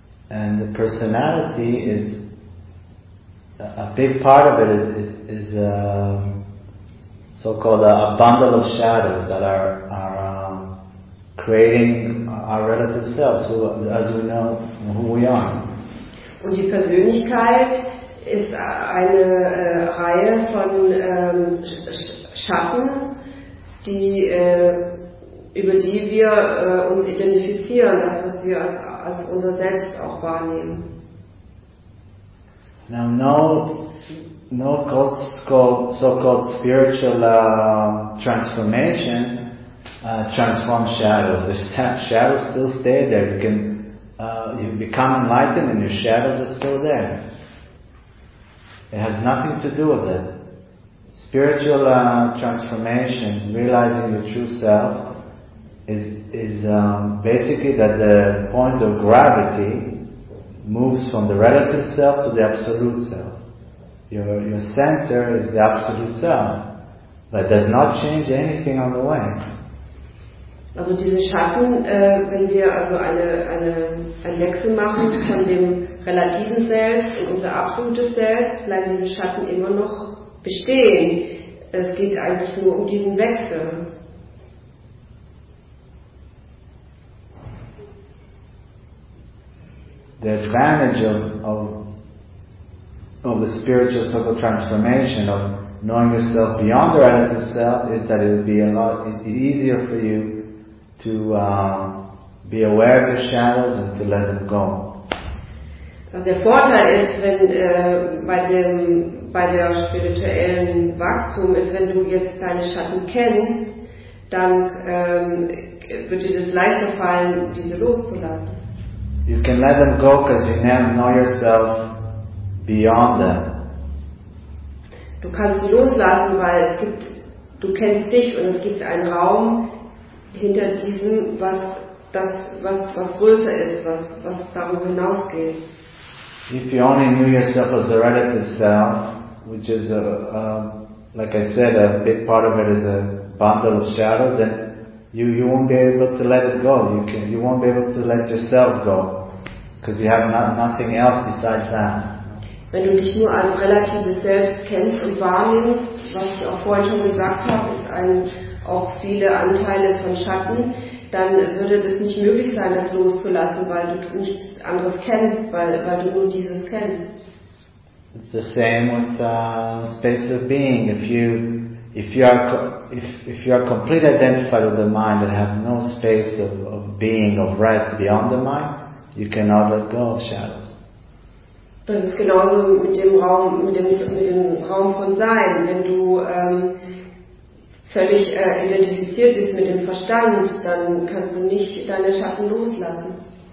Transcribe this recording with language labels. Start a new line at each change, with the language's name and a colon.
English: And the personality is a big part of it is a so-called a bundle of shadows that are creating our relative selves, who, as we know who we are.
German: Und die Persönlichkeit ist eine Reihe von Schatten, die über die wir uns identifizieren, das was wir als unser Selbst auch wahrnehmen.
English: Now, no so-called spiritual transformation transforms shadows. The shadows still stay there. You become enlightened and your shadows are still there. It has nothing to do with it. Spiritual transformation, realizing the true self, is basically that the point of gravity moves from the relative self to the absolute self. Your center is the absolute self, but does not change anything on the way.
German: Also diese Schatten, wenn wir also ein Wechsel machen von dem relativen Selbst in unser absolutes Selbst, bleiben diese Schatten immer noch bestehen. Es geht eigentlich nur um diesen Wechsel.
English: The advantage of the spiritual circle transformation of knowing yourself beyond the relative self is that it would be a lot easier for you to be aware of your shadows and to let them go.
German: Der Vorteil ist, wenn bei der spirituellen Wachstum ist, wenn du jetzt deine Schatten kennst, dann wird dir das leichter fallen, diese loszulassen.
English: You can let them go because you now know yourself beyond them.
German: Du kannst sie loslassen, weil es gibt, du kennst dich und es gibt einen Raum hinter diesem, was größer ist, was darüber hinausgeht.
English: If you only knew yourself as the relative self, which is like I said, a big part of it is a bundle of shadows, then you won't be able to let it go. You won't be able to let yourself go. Because you have nothing else besides that.
German: Wenn du dich nur als relatives Selbst kennst und wahrnimmst, was ich auch vorhin schon gesagt habe, ist auch viele Anteile von Schatten, dann würde das nicht möglich sein, das loszulassen, weil du nichts anderes kennst, weil du nur dieses kennst.
English: It's the same with space of being. If you are completely identified with the mind and have no space of being, of rest beyond the mind, you cannot let go of shadows.
German: Das ist genauso mit dem Raum von Sein. Wenn du völlig identifiziert bist mit dem Verstand, dann kannst du nicht deine Schatten loslassen.